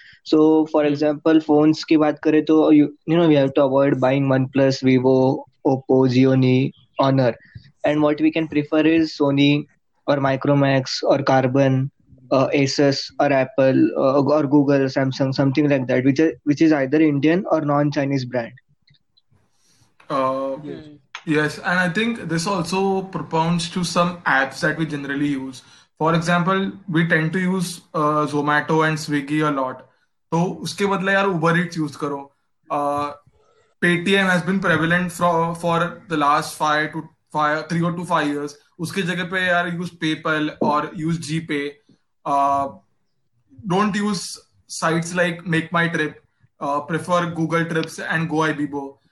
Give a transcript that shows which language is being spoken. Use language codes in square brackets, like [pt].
[en] so for example phones [hi] की बात करें तो [en] You know we have to avoid buying OnePlus, Vivo, Oppo, Gionee, Honor, and what we can prefer is Sony or Micromax or Karbonn, Asus or Apple or Google, Samsung, something like that, which is either Indian or non Chinese brand. Yes, and I think this also propounds to some apps that we generally use. For example, we tend to use Zomato and Swiggy a lot. [hi] तो उसके बदले यार Uber Eats use करो. [en] Paytm has been prevalent for the last 3 or 2 5 years. [hi] उसके जगह पे यार use PayPal और use GPay. [en] Don't use sites like MakeMyTrip, prefer Google Trips and Goibibo.